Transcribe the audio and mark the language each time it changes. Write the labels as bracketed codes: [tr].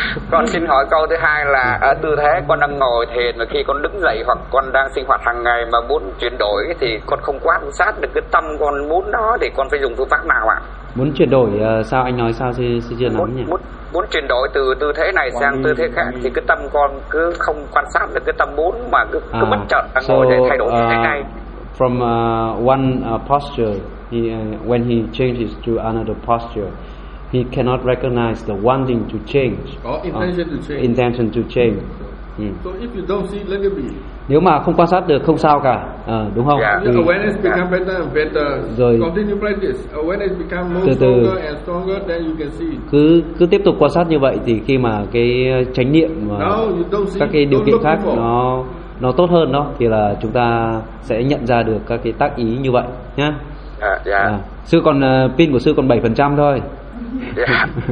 [vi] Con xin hỏi câu thứ hai là ở tư thế con đang ngồi thiền mà khi con đứng dậy hoặc con đang sinh hoạt hàng ngày mà muốn chuyển đổi thì con không quan sát được cái tâm con muốn đó thì con phải dùng phương pháp nào ạ? Muốn chuyển đổi sao anh nói sao xin chưa nói nhỉ? Muốn chuyển đổi từ tư thế này sang tư thế khác thì cái tâm con cứ không quan sát được cái tâm muốn mà cứ bất chợt đang ngồi để thay đổi như thế này. [en] From one posture, when he changes to another posture, he cannot recognize the wanting to change. Intention to change. Mm. So if you don't see, let it be. [vi] Nếu mà không quan sát được không sao cả. Đúng không? [en] Yeah. Awareness become better and better. [vi] Rồi. [en] Continue practice. Awareness become more stronger and stronger, then you can see. [vi] Cứ tiếp tục quan sát như vậy thì khi mà cái chánh niệm mà các cái điều kiện khác nó tốt hơn đó thì là chúng ta sẽ nhận ra được các cái tác ý như vậy nhá. Sư còn pin của sư còn 7% thôi. [en] Yeah.